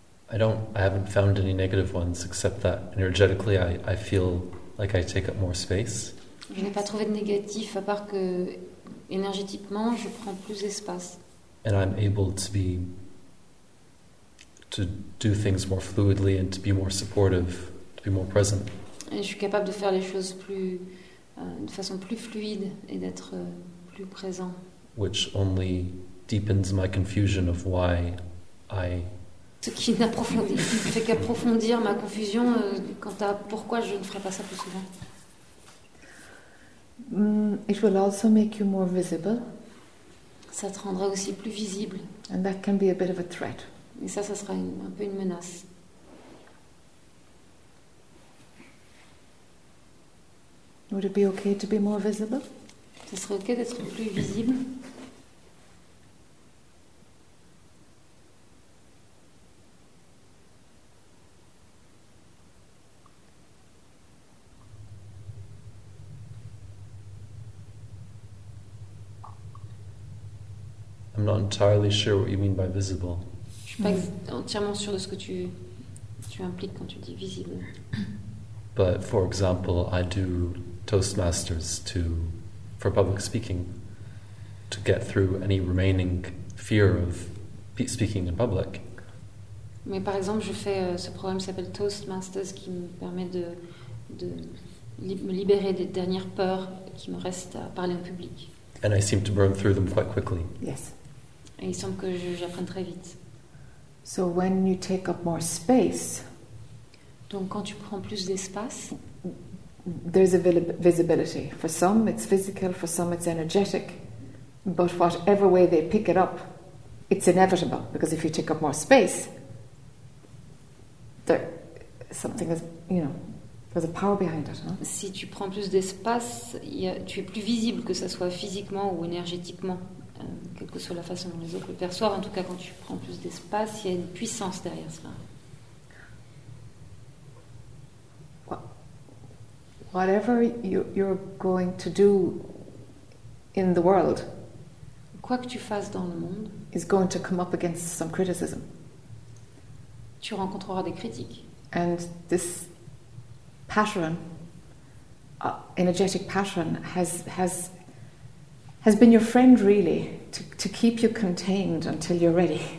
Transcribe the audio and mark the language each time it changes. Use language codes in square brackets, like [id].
[en] I haven't found any negative ones except that energetically I feel like I take up more space. [fr] Je n'ai pas trouvé de négatif à part que énergétiquement, je prends plus d'espace. [en] And I'm able to do things more fluidly and to be more supportive, to be more present. [fr] Et je suis capable de faire les choses plus de façon plus fluide et d'être plus présent. [en] Which only deepens my confusion of why I. [fr] Ce qui n'approfondit, fait qu'approfondir ma confusion quant à pourquoi je ne ferais pas ça plus souvent. [en] It will also make you more visible. [fr] Ça te rendra aussi plus visible. [en] And that can be a bit of a threat. [fr] Et ça sera un peu une menace. [en] Would it be okay to be more visible? [fr] Ça serait okay d'être plus visible. [en] I'm not entirely sure what you mean by visible. [fr] Je suis pas entièrement sûr de ce que tu impliques quand tu dis visible. [en] But for example, I do Toastmasters to for public speaking to get through any remaining fear of speaking in public. [fr] Mais par exemple, je fais ce programme qui s'appelle Toastmasters, qui me permet de me libérer des dernières peurs qui me restent à parler en public. [en] And I seem to burn through them quite quickly. Yes. [fr] Et il semble que j'apprenne très vite. [en] So when you take up more space, [fr] donc quand tu prends plus d'espace, [en] there's a visibility. For some, it's physical. For some, it's energetic. But whatever way they pick it up, it's inevitable. Because if you take up more space, there, something is, you know, there's a power behind it. Huh? [fr] Si tu prends plus d'espace, tu es plus visible, que ça soit physiquement ou énergétiquement. Quelle que soit la façon dont les autres le perçoivent, en tout cas, quand tu prends plus d'espace, il y a une puissance derrière cela. [en] Whatever you're going to do in the world, [fr] quoi que tu fasses dans le monde, [en] is going to come up against some criticism. [fr] Tu rencontreras des critiques. [en] And this pattern, energetic pattern, has been your friend really, to keep you contained until you're ready.